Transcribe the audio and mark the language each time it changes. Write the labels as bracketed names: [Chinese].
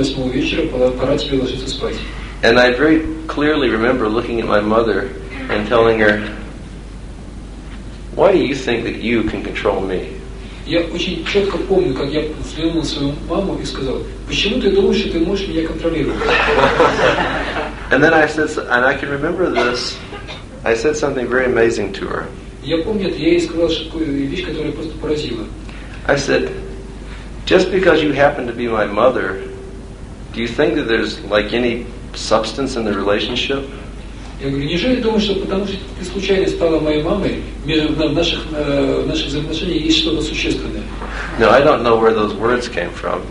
[English] And I very clearly remember looking at my mother and telling her, why do you think that you can control me? [Russian] Я очень четко помню, как я взглянул на свою маму и сказал, почему ты думаешь, что ты можешь меня контролировать? [English] And then I said, and I can remember this, I said something very amazing to her. [Russian] Я помню, я ей сказал вещь, которая просто поразила. [English] I said, just because you happen to be my mother, do you think that there's like any substance in the relationship? [Russian] Я говорю, неужели думаешь, что потому что ты случайно стала моей мамой, в наших взаимоотношениях есть что-то существенное? [English] No, I don't know where those words came from.